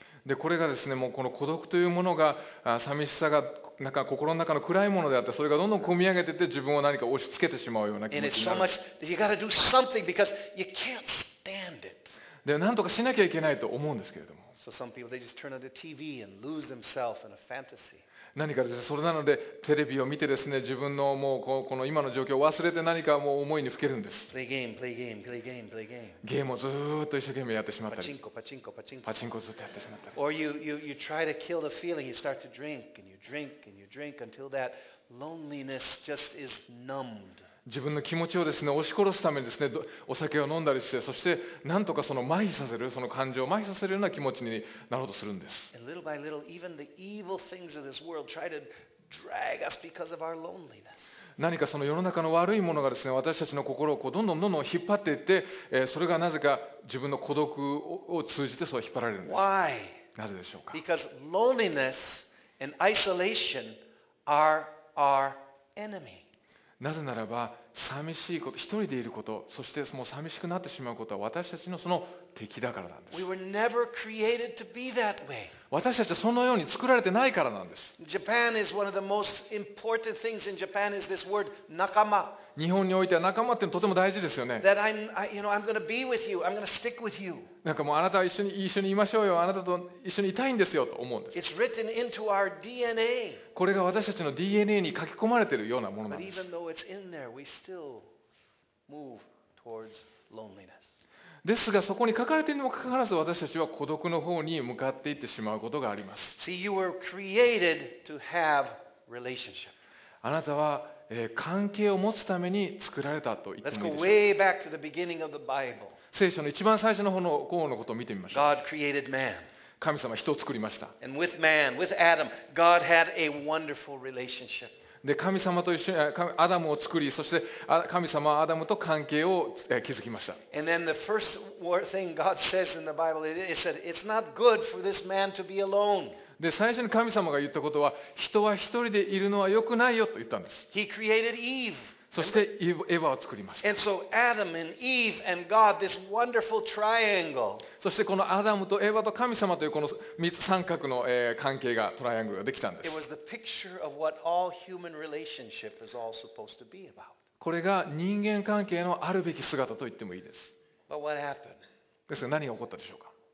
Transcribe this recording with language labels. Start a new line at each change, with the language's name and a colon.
Japanese: でこれがですね、もうこの孤独というものが、寂しさがなんか心の中の暗いものであって、それがどんどん込み上げていって、自分を何か押し付けてしまうような気持ちになる。
English: So、much, can't stand it.
Japanese: で何とかしなきゃいけないと思うんですけれども。
English: So、some people, they just turn on the TV and lose themselves in a fantasy.
Japanese: 何かですね、それなのでテレビを見てですね、自分のもうこの今の状況を忘れて何かもう思いにふけるんです。
English: Play game, play game, play game, play game.
Japanese: ゲームをずっと一生懸命やってしまったり。パチンコずっとやってしまったり。
English: Or you try to kill the feeling, you start to drink and you drink until that loneliness just is numbed.
Japanese: 自分の気持ちをですね、押し殺すためにですね、お酒を飲んだりして、そしてなんとかその麻痺させる、その感情を麻痺させるような気持ちになろうとするんです。
English: And little by little, even the evil things of this world try to drag us because of our loneliness.
Japanese: 何かその世の中の悪いものがですね、私たちの心をこうどんどん引っ張っていって、それがなぜか自分の孤独を通じてそう引っ張られるんです。
English: Why?
Japanese: なぜでしょうか？
English: Because loneliness and isolation are our enemy.
Japanese: なぜならば寂しいこと、一人でいること、そしてもう寂しくなってしまうことは私たちのその敵だからなんです。
English: We were never created to be that way.
Japanese: 私たちはそのように作られてないからなんです。
English: Japan is one of the most important things in Japan is this word 仲間。
Japanese: 日本においては仲間ってとても大事ですよね。
English: That I'm, you know, I'm going to be with you. I'm going to stick with you.
Japanese: なんかもうあなたは一緒にいましょうよ。あなたと一緒にいたいんですよと思うんです。
English: It's written into our DNA.
Japanese: これが私たちの DNA に書き込まれているようなものなんです。
English: But even though it's in there, we still move towards loneliness.
Japanese: ですがそこに書かれているにもかかわらず私たちは孤独の方に向かっていってしまうことがあります。
English: See, you were created to have relationship.
Japanese: あなたは関係を持つために作られたと言ってもいいでしょう。
English: Let's go way back to the beginning of the Bible.
Japanese: 聖書の一番最初の方のことを見てみましょう。
English: God created man.
Japanese: 神様は人を作りました。
English: And with man, with Adam, God had a wonderful relationship.
Japanese: で、神様と一緒にアダムを作り、そして神様はアダムと関係を築きました。
English: And then the first thing God says in the Bible, it said, it's not good for this man to be alone.
Japanese: で最初に神様が言ったことは人は一人でいるのは良くないよと言ったんです。
English: He created Eve.
Japanese: そしてエヴァを作りました。
English: And so Adam and Eve and God, this wonderful triangle.
Japanese: そしてこのアダムとエヴァと神様というこの三角の関係がトライアングルができたんです。
English: It was the picture of what all human relationship is all supposed to be about.
Japanese: これが人間関係のあるべき姿と言ってもいいです。
English: But what happened?
Japanese: ですが何が起こったでしょうか。